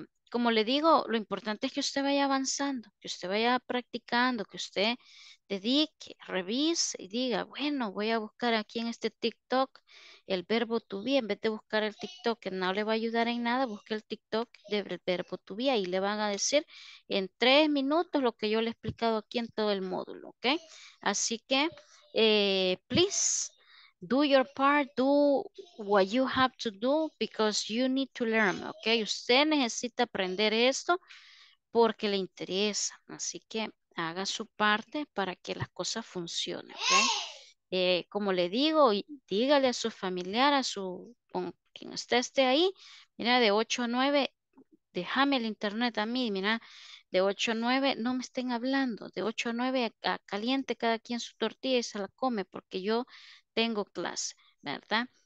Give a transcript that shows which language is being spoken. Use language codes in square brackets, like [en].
[es] Como le digo, lo importante es que usted vaya avanzando, que usted vaya practicando, que usted dedique, revise y diga, bueno, voy a buscar aquí en este TikTok el verbo to be. En vez de buscar el TikTok, que no le va a ayudar en nada, busque el TikTok del verbo to be y le van a decir en 3 minutos lo que yo le he explicado aquí en todo el módulo, ¿ok? Así que, [en] please, do your part, do what you have to do because you need to learn, ¿ok? [es] Usted necesita aprender esto porque le interesa, así que haga su parte para que las cosas funcionen, ¿ok? Como le digo, dígale a su familiar, a su, con quien usted esté ahí, mira, de 8 a 9, déjame el internet a mí, mira, de 8 a 9, no me estén hablando, de 8 a 9, a caliente cada quien su tortilla y se la come, porque yo tengo clase, ¿verdad?